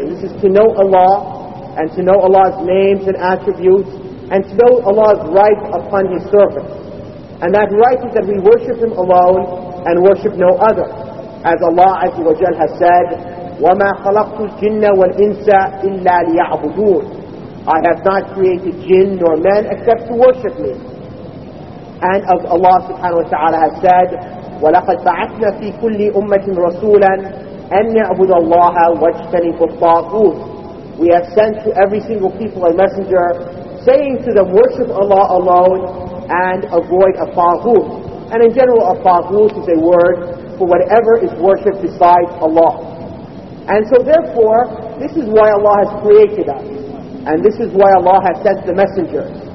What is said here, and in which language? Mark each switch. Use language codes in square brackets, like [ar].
[en] And this is to know Allah, and to know Allah's names and attributes, and to know Allah's right upon his servants. And that right is that we worship him alone, and worship no other. [ar] As Allah Azza wa Jal has said, وَمَا خَلَقْتُ الْجِنَّ وَالْإِنسَ إِلَّا لِيَعْبُدُونَ. [en] I have not created jinn nor men except to worship me. [ar] And of Allah subhanahu wa ta'ala has said, وَلَقَدْ بَعَثْنَا فِي كُلِّ أُمَّةٍ رَسُولًا أَنْ يَعْبُدَ اللَّهَ وَاجْتَنِفُ الطَّاغُوتِ. [en] We have sent to every single people a messenger saying to them, worship Allah alone and avoid a taghut. And in general, a taghut is a word for whatever is worshipped besides Allah. And so therefore, this is why Allah has created us. And this is why Allah has sent the messenger.